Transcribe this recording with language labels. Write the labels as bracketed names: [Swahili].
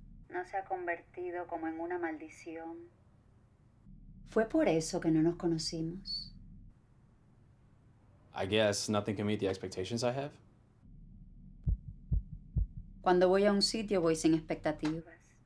[Spanish] No se ha convertido como en una maldición. Fue por eso que no nos conocimos. [English] I guess nothing can meet the expectations I have. [Spanish] Cuando voy a un sitio, voy sin expectativas.